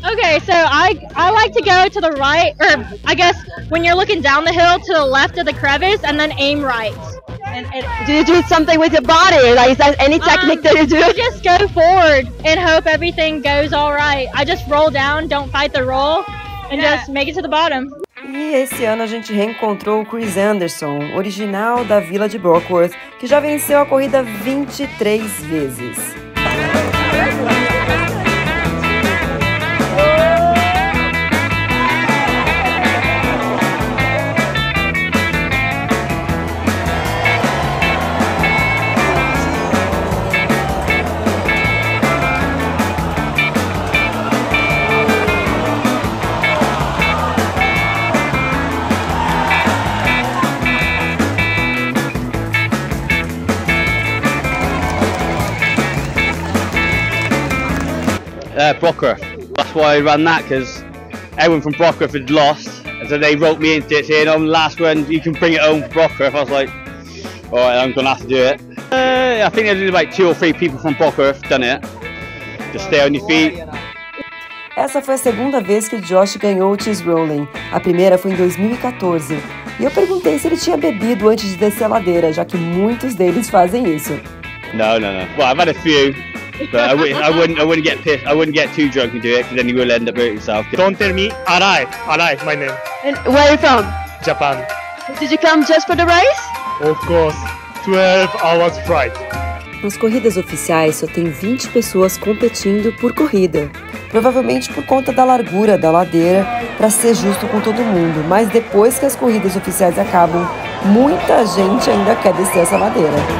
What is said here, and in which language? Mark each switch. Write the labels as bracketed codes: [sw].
[en] Okay, so I like to go to the right, or I guess when you're looking down the hill, to the left of the crevice, and then aim right. Do you do something with your body? Like, is that any technique that you do? I just go forward and hope everything goes all right. I just roll down, don't fight the roll, and just make it to the bottom. [pt] E esse ano a gente reencontrou o Chris Anderson, original da Vila de Brockworth, que já venceu a corrida 23 vezes. [en] Brockworth. That's why I ran that, because everyone from Brockworth had lost, and so they wrote me into it saying, "Oh, last one, you can bring it home for Brockworth." I was like, "All right, I'm gonna have to do it." I think there's about two or three people from Brockworth done it. Just stay on your feet. [pt] Essa foi a segunda vez que Josh ganhou o cheese rolling. A primeira foi em 2014. E eu perguntei se ele tinha bebido antes de descer a ladeira, já que muitos deles fazem isso. [en] No. Well, I've had a few. But I wouldn't get pissed. I wouldn't get too drunk and do it, because then you will end up hurting yourself. Don't tell me. Arai, my name. And where are you from? Japan. Did you come just for the race? Of course. 12 hours flight. [pt] Nas corridas oficiais, só tem 20 pessoas competindo por corrida. Provavelmente por conta da largura da ladeira, para ser justo com todo mundo. Mas depois que as corridas oficiais acabam, muita gente ainda quer descer essa ladeira.